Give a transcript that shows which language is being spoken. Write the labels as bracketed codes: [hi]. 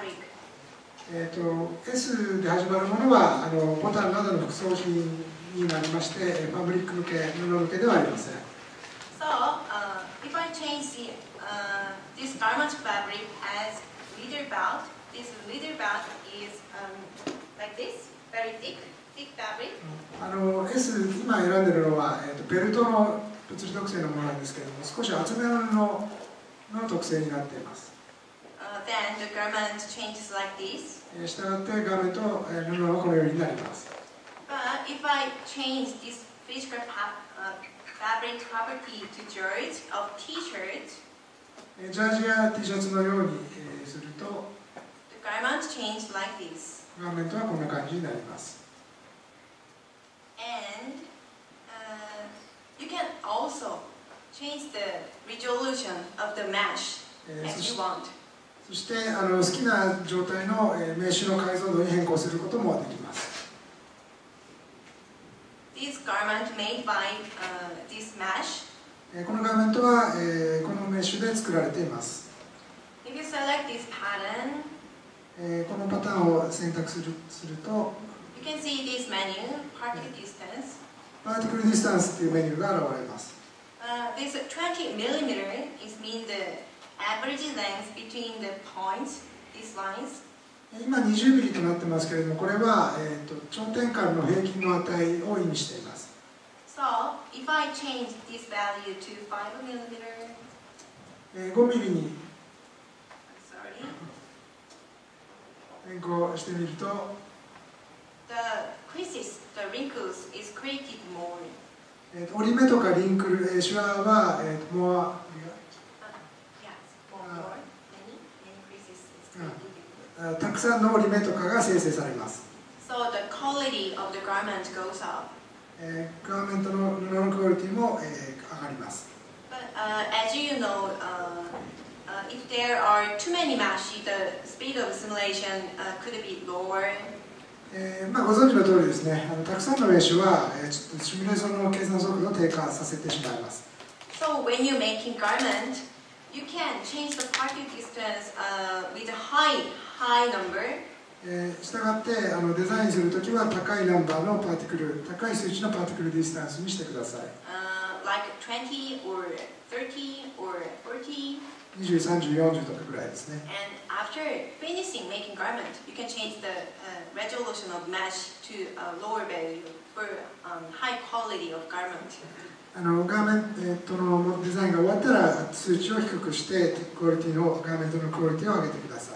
[ja] S で始まるものはボタンなどの服装品になりまして、ファブリック向け、布向けではありません。 [en] So, if I change the, this garment fabric as leather belt, this leather belt is like this, very thick fabric. [ja] S 今選んでるのは、ベルトの物理特性のものなんですけれども、少し厚めのの特性になっています。 [en] Then the garment changes like this. [ja] したがってガーメント、布はこのようになります。 [en] But if I change this physical fabric property to jersey of T-shirt, [ja] ジャージや T シャツのように、すると、 [en] the garment changes like this. [ja] ガーメントはこんな感じになります。 [en] And you can also change the resolution of the mesh as you want. [ja] そして好きな状態のメッシュの解像度に変更することもできます。 [en] This garment made by this mesh. [ja] このガーメントはこのメッシュで作られています。 [en] If you select this pattern, [ja] このパターンを選択すると、 [en] you can see this menu, particle distance. [ja] Particle distance というメニューが現れます。 [en] This 20 millimeter is mean the average length between the points, these lines. [ja] 今20ミリとなってますけれども、これは頂点間の平均の値を意味しています。 [en] So, if I change this value to 5 millimeter, [ja] 5ミリに変更してみると、 [en] the creases, the wrinkles is created more. [ja] 折り目とかリンクル、シワは、もう、たくさんの折り目とかが生成されます。 [en] So the quality of the garment goes up. [ja] ガーメントの布のクオリティも、上がります。 [en] But, as you know, if there are too many mesh, the speed of simulation, could be lower. [ja] ご存知の通りですね、たくさんのメッシュは、ちょっとシミュレーションの計算速度を低下させてしまいます。 [en] So when you're making garment, you can change the particle distance, with a high number. [ja] したがって、デザインするときは高いナンバーのパーティクル、高い数値のパーティクルディスタンスにしてください。 [en] Like 20 or 30 or 40. [ja] 20、30、40とかぐらいですね。 [en] And after finishing making garment, you can change the resolution of mesh to a lower value for high quality of garment. [ja] ガーメントのデザインが終わったら、数値を低くして、クオリティの、ガーメントのクオリティを上げてください。